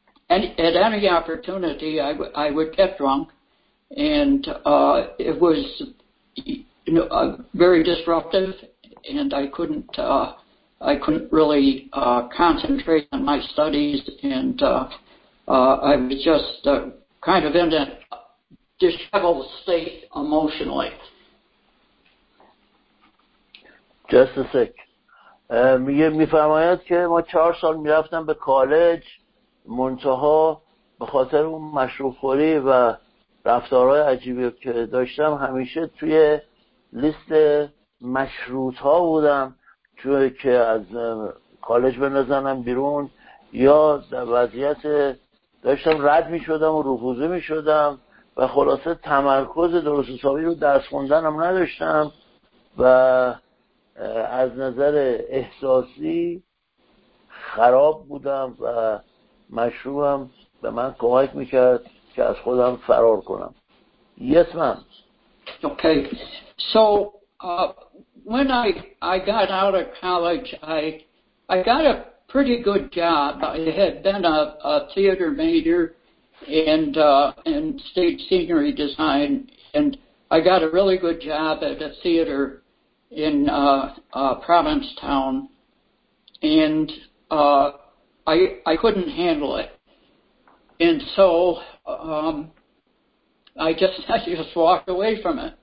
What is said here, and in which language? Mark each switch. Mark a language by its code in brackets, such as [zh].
[en] And at any opportunity, I would get drunk, and it was, you know, very disruptive, and I couldn't really concentrate on my studies, and I was just kind of in a disheveled state emotionally. Just a sec. [fa] میفرماید که ما 4 سال میرفتم به کالج. منتها به خاطر اون مشروب خوری و رفتارهای عجیبی که داشتم همیشه توی لیست مشروط ها بودم توی که از کالج بنزنم بیرون، یا در وضعیت داشتم رد می شدم و رفوزه می شدم و خلاصه تمرکز درست حسابی رو درس خوندنم نداشتم و از نظر احساسی خراب بودم و مشروبم به من کمک میکرد که از خودم فرار کنم. [en] Yes, ma'am. Okay. So when I got out of college, I got a pretty good job. I had been a theater major and stage scenery design, and I got a really good job at a theater in Provincetown, and I couldn't handle it, and so I just walked away from it.